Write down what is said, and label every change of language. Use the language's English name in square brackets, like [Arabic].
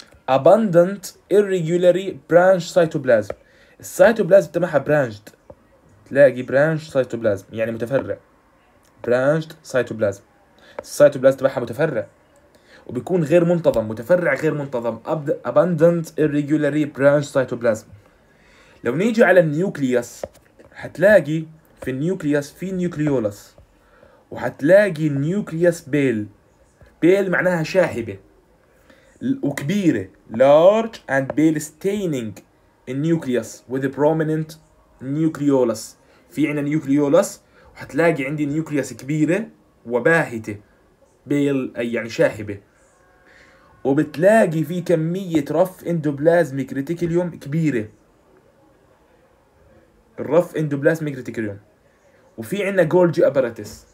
[English] abundant irregularly branched cytoplasm. [Arabic] السيتوبلازم تبعها branched، تلاقي branched cytoplasm يعني متفرع، branched cytoplasm. السيتوبلازم تبعها متفرع وبيكون غير منتظم، متفرع غير منتظم. [English] abundant irregularly branched cytoplasm. [Arabic] لو نيجي على النيوكليوس هتلاقي في النيوكليوس في نيوكليولس، وهتلاقي نيوكليوس بيل. بيل معناها شاحبة وكبيرة، [English] large and pale staining in nucleus with a prominent nucleolus. [Arabic] في عنا nucleolus وحتلاقي عندي nucleus كبيرة وباهتة pale يعني شاحبة، وبتلاقي في كمية rough endoplasmic reticulum كبيرة، rough endoplasmic reticulum، وفي عنا Golgi apparatus.